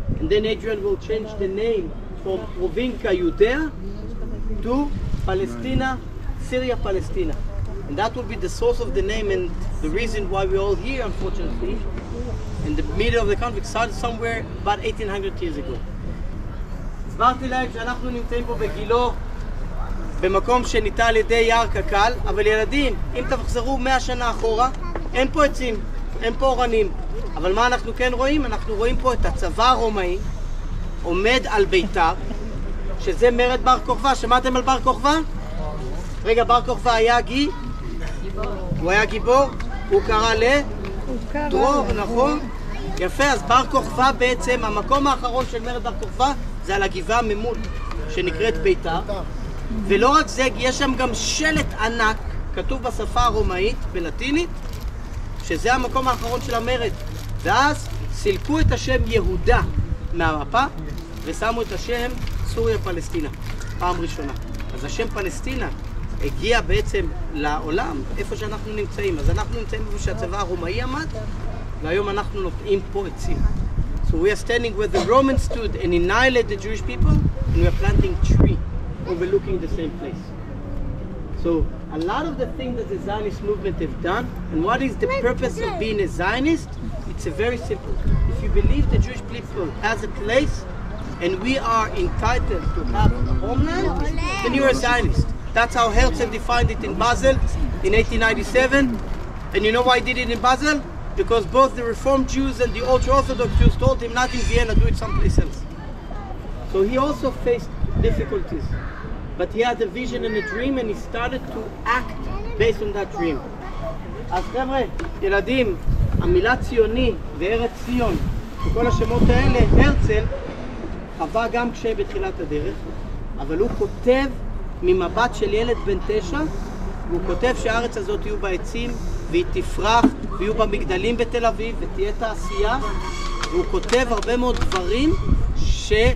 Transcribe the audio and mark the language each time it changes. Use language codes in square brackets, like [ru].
[en] And then Adrian will change the name from Rovinka Judea to Palestina, Syria, Palestina. And that will be the source of the name and the reason why we're all here, unfortunately, in the middle of the conflict, started somewhere about 1800 years ago. [he] הסברתי להם שאנחנו נמצאים פה בגילו, במקום שניטה על ידי יער קקל, אבל ילדים, אם תחזרו 100 שנה אחורה, אין פה עצים, אין פה אורנים. אבל מה אנחנו כן רואים? אנחנו רואים פה את הצבא הרומאי עומד על ביתר, שזה מרד בר כוכבא. שמעתם על בר כוכבא? רגע, בר כוכבא היה גיבור. הוא היה גיבור? הוא קרא לדרור, נכון? יפה, אז בר כוכבא בעצם, המקום האחרון של מרד בר כוכבא זה על הגבעה ממול, שנקראת ביתר. ולא רק זה, יש שם גם שלט ענק, כתוב בשפה הרומאית, בלטינית, שזה המקום האחרון של המרד. ואז סילקו את השם יהודה מהמפה ושמו את השם סוריה-פלסטינה, פעם ראשונה. אז השם פלסטינה הגיע בעצם לעולם, איפה שאנחנו נמצאים. אז אנחנו נמצאים איפה שהצבא הרומאי עמד, והיום אנחנו נוטעים פה עצים. [en] So we are standing where the Romans stood and annihilated the Jewish people, and we are planting tree, overlooking the same place. So a lot of the things that the Zionist movement have done, and what is the purpose of being a Zionist? It's a very simple. If you believe the Jewish people has a place, and we are entitled to have a homeland, then you are a Zionist. That's how Herzl defined it in Basel in 1897. And you know why he did it in Basel? Because both the Reformed Jews and the ultra-Orthodox Jews told him not in Vienna, do it someplace else. So he also faced difficulties. But he had a vision and a dream, and he started to act based on that dream. [he] אז חבר'ה, ילדים, המילה ציוני וארץ ציון, וכל השמות האלה, הרצל, חווה גם קשה בתחילת הדרך, אבל הוא כותב ממבט של ילד בן 9, והוא כותב שהארץ הזאת יהיו בה עצים, והיא תפרח, ויהיו בה מגדלים בתל אביב, ותהיה תעשייה, והוא כותב הרבה מאוד דברים ש...